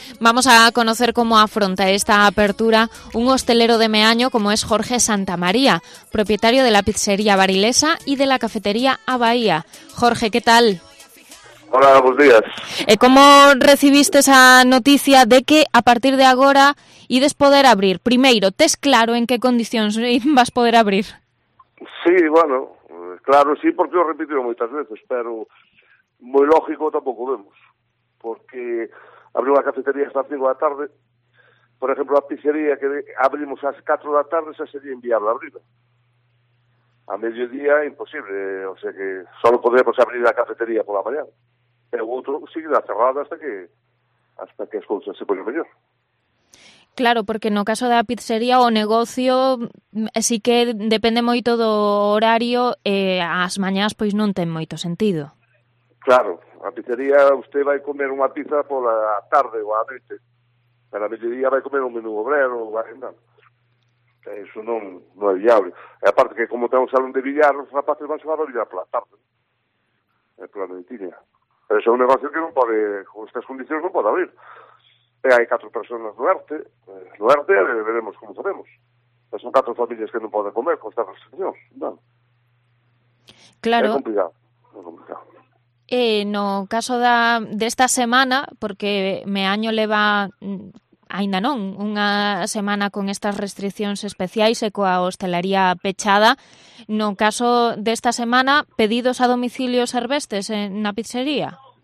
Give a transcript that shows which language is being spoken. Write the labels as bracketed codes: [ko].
[es] Vamos a conocer cómo afronta esta apertura un hostelero de Meaño como es Jorge Santamaría, propietario de la pizzería Barilesa y de la cafetería A Bahía. Jorge, ¿qué tal? Hola, buenos días. ¿Cómo recibiste esa noticia de que a partir de [gl] agora ides poder abrir? Primeiro, ¿tes claro en qué condicións vas poder abrir? [es] Sí, bueno, claro, sí, porque lo repito muchas veces, pero muy lógico tampoco vemos. Porque abrir la cafetería hasta las 5 de la tarde, por ejemplo, la pizzería que abrimos a las 4 de la tarde, esa sería inviable abrirla. A mediodía, imposible, o sea que solo podremos abrir la cafetería por la mañana. El otro sigue cerrado hasta que las cosas se ponen mejor. Claro, porque en el caso de la pizzería o negocio, sí que depende muy todo horario, las mañanas pues no tienen mucho sentido. Claro, la pizzería usted va a comer una pizza por la tarde o a la noche, pero a mediodía va a comer un menú obrero o va a agendar. [gl] Eso non é viable. E a parte que como ten un salón de billar, os rapaces van a xogar a billar pola tarde. É pola mentira. Pero é un negocio que non pode, con estas condiciones, non pode abrir. E hai 4 personas no ERTE. No ERTE veremos como sabemos. E son 4 familias que non poden comer con estas restriccións. Bueno. Claro. É complicado. É complicado. No caso da desta semana, porque me año leva aínda non unha semana con estas restriccións especiais e coa hostelería pechada, no caso desta semana, pedidos a domicilio servestes na pizzería?